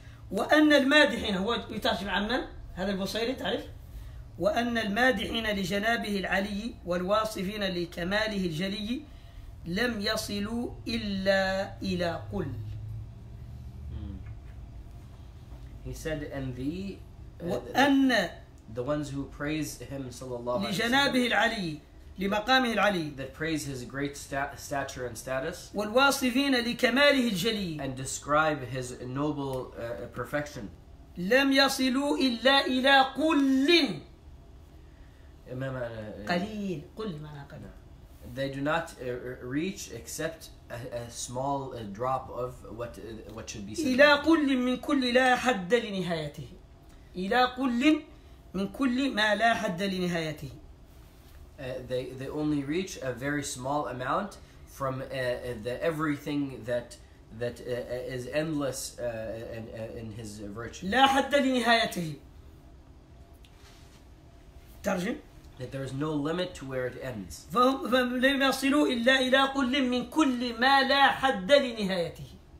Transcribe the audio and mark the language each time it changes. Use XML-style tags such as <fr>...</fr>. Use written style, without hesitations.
<ar>وأن المادحين هو يترجم عما هذا البصيري تعرف. وأن المادحين لجنابه العلي والواصفين لكماله الجلي لم يصلوا إلا إلى قل.</ar> <en>He said, and the ones who praise him, sallallahu</en> <ar>alaihi wasallam, لجنابه العلي لمقامه العلي,</ar> <en>that praise his great stature and status,</en> <ar>والواصفين لكماله الجلي,</ar> <en>and describe his noble perfection.</en> <ar>لم يصلوا إلا إلى قل. إمام قليل قل ما نقل.</ar> <en>They do not reach except a small drop of what should be said.</en> <ar>إلى قل من كل لا حد لنهايته. إلى قل من كل ما لا حد لنهايته.</ar> <en>They only reach a very small amount from the everything that is endless in his virtue.</en> <ar>لا حد لنهايته. ترجم.</ar> <en>That there is no limit to where it ends.</en> <ar>فلم يصلوا إلا إلى قل من كل ما لا حد لنهايته.</ar>